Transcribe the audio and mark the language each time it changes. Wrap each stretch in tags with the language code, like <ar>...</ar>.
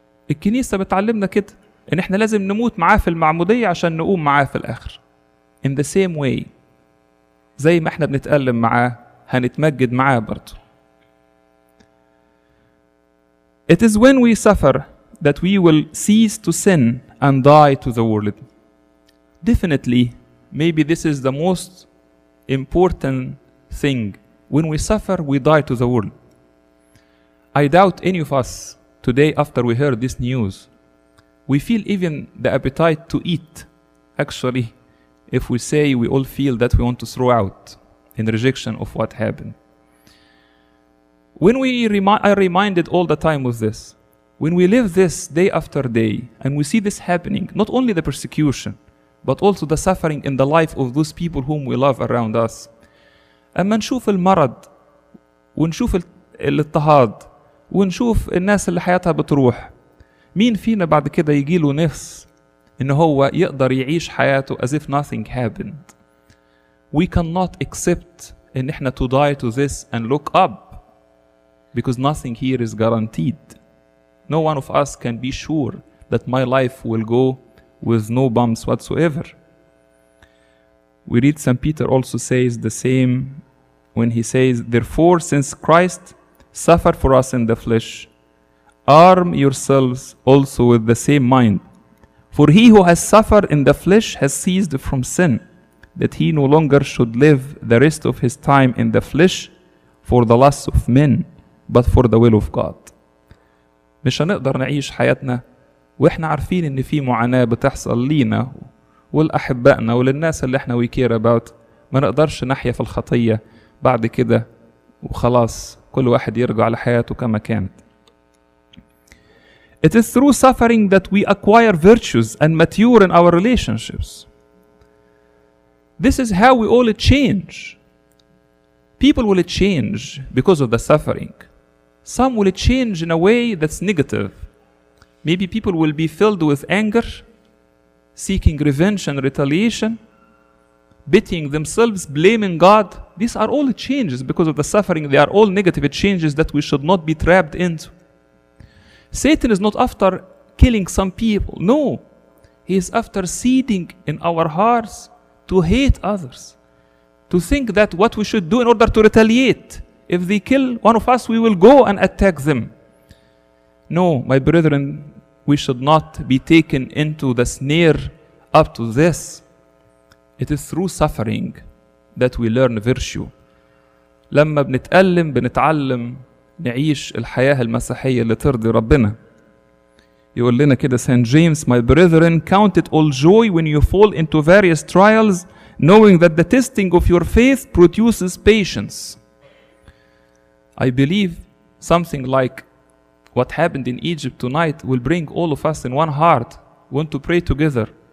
<ar>الكنيسة بتعلمنا كده ان احنا لازم نموت معاه في المعمودية عشان نقوم معاه في الاخر.</ar> <en>In the same way,</en> <ar>زي ما احنا بنتألم معاه هنتمجد معاه برضو.</ar> <en>It is when we suffer that we will cease to sin and die to the world. Definitely, maybe this is the most important thing. When we suffer, we die to the world. I doubt any of us today after we heard this news, we feel even the appetite to eat. Actually, if we say, we all feel that we want to throw out in rejection of what happened. I reminded all the time of this. When we live this day after day and we see this happening, not only the persecution, but also the suffering in the life of those people whom we love around us.</en> <ar>أما نشوف المرض ونشوف الاضطهاد ونشوف الناس اللي حياتها بتروح, مين فينا بعد كده يجيله نفس ان هو يقدر يعيش حياته</ar> <en>as if nothing happened. We cannot accept</en> <ar>ان احنا</ar> <en>to die to this and look up, because nothing here is guaranteed. No one of us can be sure that my life will go with no bumps whatsoever. We read St. Peter also says the same when he says, therefore, since Christ suffered for us in the flesh, arm yourselves also with the same mind. For he who has suffered in the flesh has ceased from sin, that he no longer should live the rest of his time in the flesh for the lusts of men, but for the will of God.</en> <ar>مش هنقدر نعيش حياتنا واحنا عارفين ان في معاناة بتحصل لينا والاحبائنا وللناس اللي احنا</ar> <en>we care about.</en> <ar>ما نقدرش نحيا في الخطية بعد كده وخلاص كل واحد يرجع لحياته كما كانت.</ar> <en>It is through suffering that we acquire virtues and mature in our relationships. This is how we all change. People will change because of the suffering. Some will change in a way that's negative. Maybe people will be filled with anger, seeking revenge and retaliation, beating themselves, blaming God. These are all changes because of the suffering. They are all negative changes that we should not be trapped into. Satan is not after killing some people. No, he is after seeding in our hearts to hate others, to think that what we should do in order to retaliate. If they kill one of us, we will go and attack them. No, my brethren, we should not be taken into the snare up to this. It is through suffering that we learn virtue.</en> <ar>لما بنتألم بنتعلم نعيش الحياة المسيحية اللي ترضي ربنا. يقول لنا كده سانت جيمس,</ar> <en>My brethren, count it all joy when you fall into various trials, knowing that the testing of your faith produces patience. I believe something like what happened in Egypt tonight will bring all of us in one heart. We want to pray together.</en>